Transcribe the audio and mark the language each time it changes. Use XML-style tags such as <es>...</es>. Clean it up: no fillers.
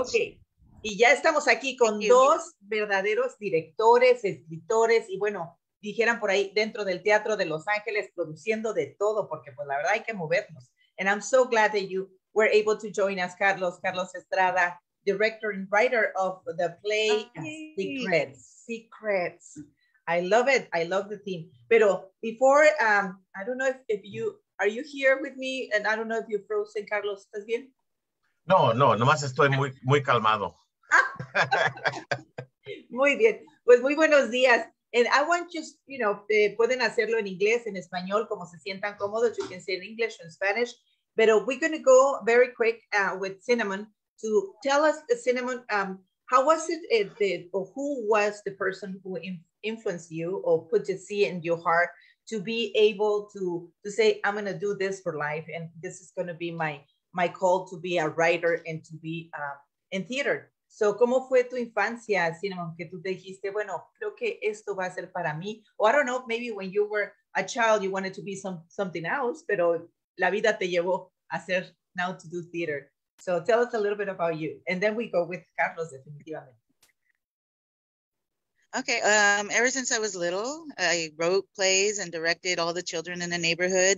<es>Okay. Y ya estamos aquí con dos verdaderos directores, escritores, y bueno. Dijeran por ahí, dentro del Teatro de Los Ángeles, produciendo de todo, porque pues la verdad hay que movernos.</es> <en>And I'm so glad that you were able to join us, Carlos Estrada, director and writer of the play Secrets. I love it. I love the theme. Pero before, I don't know are you here with me? And I don't know if you're frozen, Carlos.</en> <es>¿Estás bien? No, nomás estoy muy, muy calmado. Muy bien. Pues muy buenos días.</es> <en>And I want just, you know,</en> <es>pueden hacerlo en inglés, en español, como se sientan cómodos.</es> <en>You can say in English or in Spanish. But we're going to go very quick with Cinnamon to tell us, Cinnamon, how was it, or who was the person who influenced you or put the seed in your heart to be able to say, I'm going to do this for life, and this is going to be my call to be a writer and to be in theater.</en> <es>So, ¿cómo fue tu infancia, Cinnamon, que tú dijiste, bueno, creo que esto va a ser para mí?</es> <en>Or I don't know, maybe when you were a child, you wanted to be something else,</en> <es>pero la vida te llevó a hacer</es> <en>now to do theater. So, tell us a little bit about you. And then we go with Carlos, definitivamente. Okay. Ever since I was little, I wrote plays and directed all the children in the neighborhood.</en>